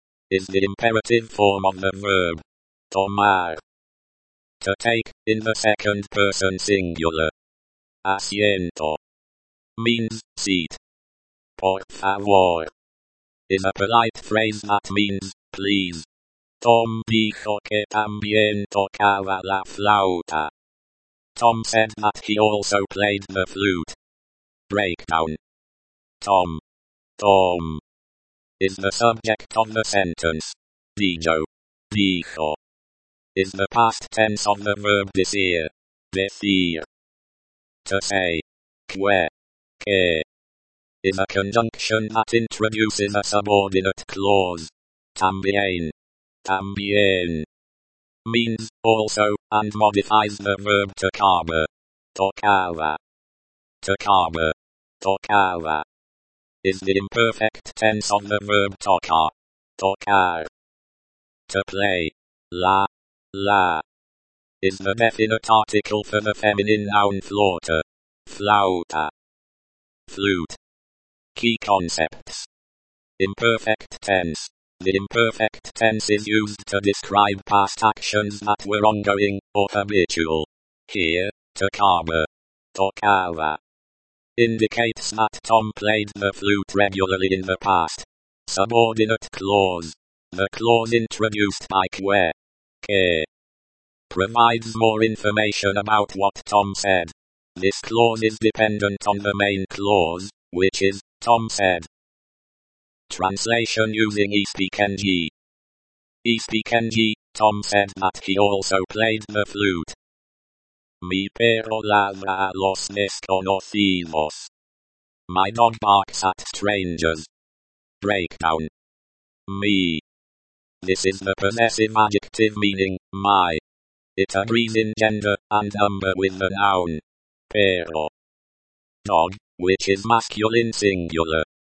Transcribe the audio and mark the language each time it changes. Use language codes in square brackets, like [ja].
[en] is the imperative form of the verb [es] tomar. [en] To take, in the second person singular. [es] Asiento [en] means seat. [es] Por favor [en] is a polite phrase that means please. [es] Tom dijo que también tocaba la flauta. [en] Tom said that he also played the flute. Breakdown. Tom. Tom is the subject of the sentence. [es] Dijo. [en] Dijo is the past tense of the verb decir. [es] Decir. [en] To say. [es] Que. [en] Que is a conjunction that introduces a subordinate clause. [es] También. [en] También means also and modifies the verb tocaba. [es] Tocaba. Tocaba. Tocaba [en] is the imperfect tense of the verb tocar. [es] Tocar. [en] To play. [es] La. [en] La is the definite article for the feminine noun flauta. [es] Flauta. [en] Flute. Key concepts. Imperfect tense. The imperfect tense is used to describe past actions that were ongoing or habitual. Here, tocaba. Tocaba indicates that Tom played the flute regularly in the past. Subordinate clause. The clause introduced by que. [es] Que. [en] Provides more information about what Tom said. This clause is dependent on the main clause, which is, Tom said. Translation using Ispikenji. Ispikenji, Tom said that he also played the flute. [es] Mi perro ladra a los desconocidos. [en] My dog barks at strangers. Breakdown. [es] Mi. [en] This is the possessive adjective meaning, my. It agrees in gender and number with the noun. [es] Perro. [en] Dog, which is masculine singular.